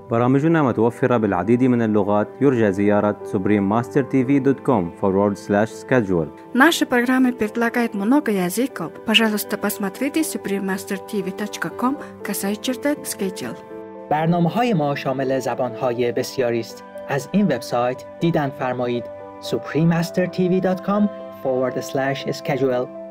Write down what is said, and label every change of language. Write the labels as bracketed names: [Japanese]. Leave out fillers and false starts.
[Arabic] برامجنا متوفرة بالعديد من اللغات. يرجى زيارة suprememastertv.com/schedule. [Russian] Наши программы предлагают много языков. Пожалуйста, посмотрите suprememastertv.com/schedule. [Persian] برنامه‌های ما شامل زبان‌های بسیاری است. از این وبسایت دیدن فرمایید suprememastertv.com/schedule.